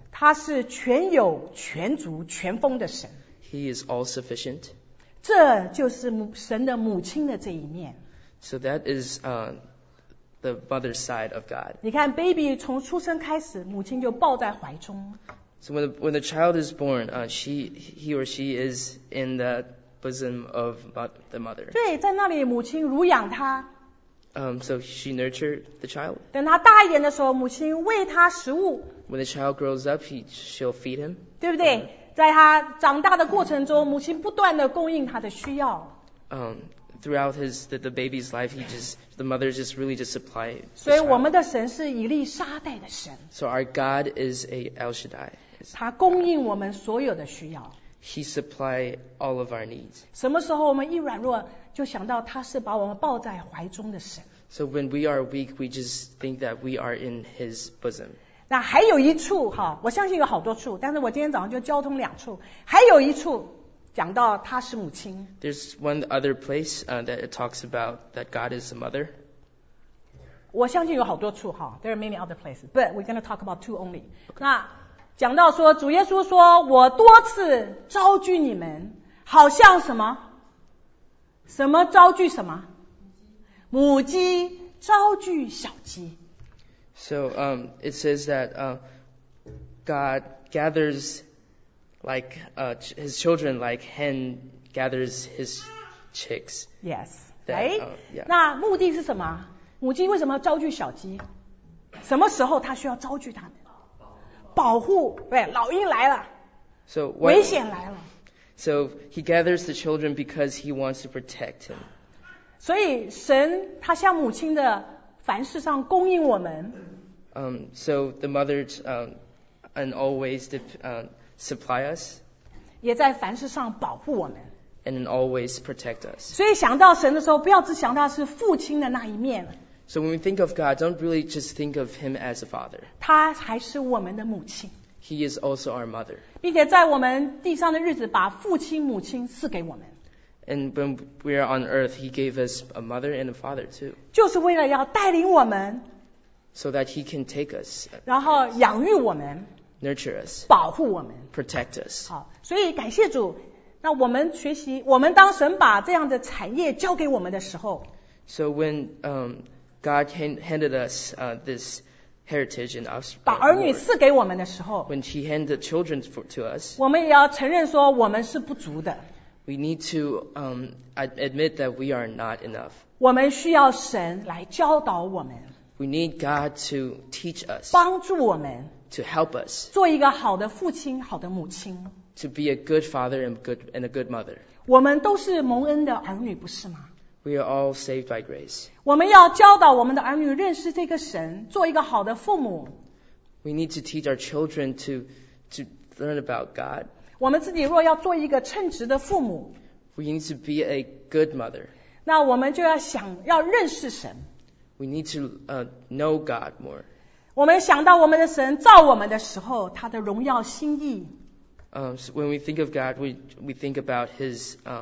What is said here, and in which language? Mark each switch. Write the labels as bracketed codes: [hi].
[zh] 他是全有全足全丰的神。 [en] He He is all sufficient. [zh] 这就是神的母亲的这一面。 [en] So that is the mother's side of God. [zh] 你看 ，baby 从出生开始，母亲就抱在怀中。 [en] So when the child is born, he or she is in the bosom of the mother. [zh] 对，在那里母亲乳养他。 [en] So she nurtured the child. [zh] 等他大一点的时候，母亲喂他食物。 [en] When the child grows up, she'll feed him. [zh] 对不对？在他长大的过程中，母亲不断的供应他的需要。 [en] Throughout the baby's life, the mother just supplied. [zh] 所以我们的神是以利沙代的神。 [en] So our God is a El Shaddai. [zh] 他供应我们所有的需要。 [en] He supplied all of our needs. [zh] 什么时候我们一软弱，就想到他是把我们抱在怀中的神。 [en] So when we are weak, we just think that we are in His bosom. [zh] 那还有一处哈，我相信有好多处，但是我今天早上就交通两处，还有一处。讲到她是母亲。 [en] There's one other place that it talks about that God is a mother. [zh] 我相信有好多处哈 ， [en] there are many other places, but we're going to talk about two only.、 [zh] Okay. 那讲到说主耶稣说，我多次招聚你们，好像什么？什么招聚什么？母鸡招聚小鸡。 [en] So it says that God gathers. Like his children, like hen gathers his chicks. Yes. That, right?、 Yeah. [zh] 那目的是什么？母鸡为什么要招聚小鸡？什么时候它需要招聚它们？保护，对，老鹰来了。 [en] So what, [zh] 危险来了。 [en] So he gathers the children because he wants to protect him. [zh] 所以神他向母亲的凡事上供应我们。 [en] So the mother's and always supply us, [zh] 也在凡事上保护我们 [en] and always protect us. [zh] 所以想到神的时候，不要只想到是父亲的那一面。 [en] So when we think of God, don't really just think of Him as a father. [zh] 他还是我们的母亲。 [en] He is also our mother. [zh] 并且在我们地上的日子，把父亲、母亲赐给我们。 [en] And when we are on earth, He gave us a mother and a father too. [zh] 就是为了要带领我们 [en] ，so that He can take us. [zh] 然后养育我们。 [en] Nurture us, [zh] 保护我们 [en] ，protect us。 [zh] 好，所以感谢主。那我们学习，我们当神把这样的产业交给我们的时候 [en] ，So when God handed us this heritage and us [zh] 把儿女赐给我们的时候 [en] ，When He handed children to us， [zh] 我们也要承认说我们是不足的。 [en] We need to admit that we are not enough。 [zh] 我们需要神来教导我们。 [en] We need God to teach us， [zh] 帮助我们。 [en] To help us, [zh] 做一个好的父亲，好的母亲。 [en] To be a good father and a good mother. [zh] 我们都是蒙恩的儿女，不是吗 [en] ？We are all saved by grace. [zh] 我们要教导我们的儿女认识这个神，做一个好的父母。 [en] We need to teach our children to learn about God. [zh] 我们自己若要做一个称职的父母 [en] ，We need to be a good mother. [zh] 那我们就要想要认识神。 [en] We need to know God more. [zh] 我们想到我们的神造我们的时候，他的荣耀心意。 [en] So、when we think of God, we think about His